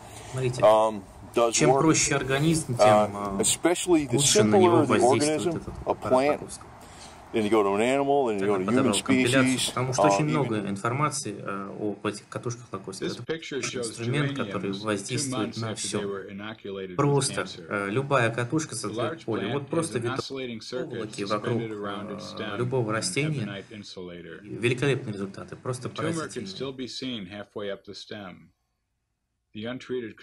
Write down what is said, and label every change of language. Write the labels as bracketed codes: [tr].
[ru] Смотрите, чем проще организм, тем лучше на него воздействует этот парад Лаковского. [en] And you go to an animal, and you go to human species. [ru] Потому что очень много информации об этих катушках Лаковского. Это инструмент, который воздействует на все. Просто любая катушка создает поле. Вот просто витражные проволоки вокруг любого растения. Великолепные результаты, просто поразительные.